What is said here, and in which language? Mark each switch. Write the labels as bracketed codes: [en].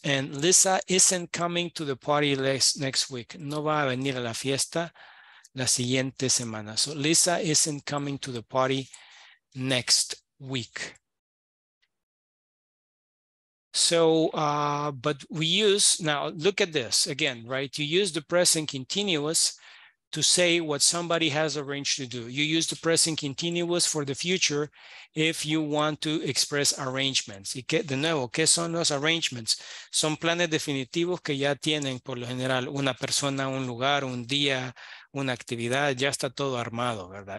[en] And Lisa isn't coming to the party next week. [es] No va a venir a la fiesta la siguiente semana. [en] So Lisa isn't coming to the party next week. So, but we use, now look at this again, right? You use the present continuous to say what somebody has arranged to do. You use the present continuous for the future if you want to express arrangements. [es] ¿Y qué, de nuevo, qué son los arrangements? Son planes definitivos que ya tienen, por lo general, una persona, un lugar, un día, una actividad, ya está todo armado, ¿verdad?